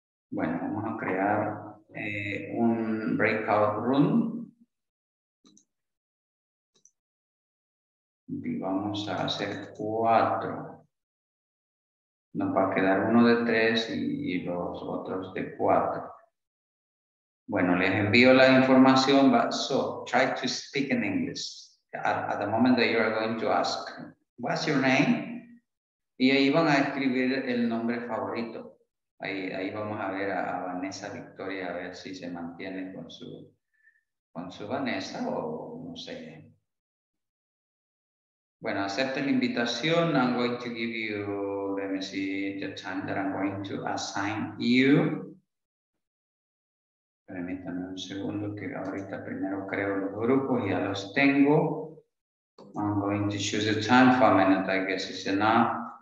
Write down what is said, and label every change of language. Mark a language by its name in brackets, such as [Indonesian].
[Spanish] Bueno, vamos a crear un breakout room. Y vamos a hacer 4. Nos va a quedar uno de 3 y los otros de 4. Bueno, les envío la información. [English] But so, try to speak in English at the moment that you are going to ask. What's your name? [Spanish] Y ahí van a escribir el nombre favorito. Ahí vamos a ver a Vanessa Victoria, a ver si se mantiene con su Vanessa o no sé. Bueno, acepten la invitación. [English] I'm going to give you, let me see, the time that I'm going to assign you. [Spanish] Permítanme un segundo que ahorita primero creo los grupos, ya los tengo. [English] I'm going to choose a time for a minute, I guess it's enough.